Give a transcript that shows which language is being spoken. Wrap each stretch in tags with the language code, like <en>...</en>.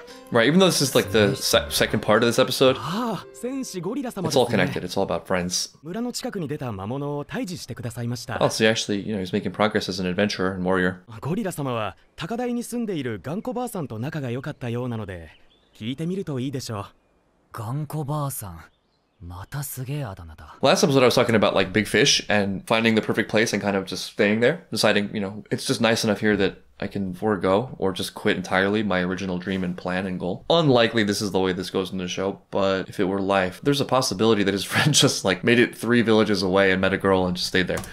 <en>Right, even though this is like the second part of this episode, it's all connected. It's all about friends. Oh, so actually, you know, he's making progress as an adventurer and warrior.</en> <ja>Gorilla-sama は高台に住んでいる頑固ばあさんと仲が良かったようなので聞いてみるといいでしょう。頑固ばあさん。</ja> <en>Last episode I was talking about like big fish and finding the perfect place and kind of just staying there, deciding, you know, it's just nice enough here that I can forego or just quit entirely my original dream and plan and goal. Unlikely this is the way this goes in the show, but if it were life, there's a possibility that his friend just like made it three villages away and met a girl and just stayed there.</en>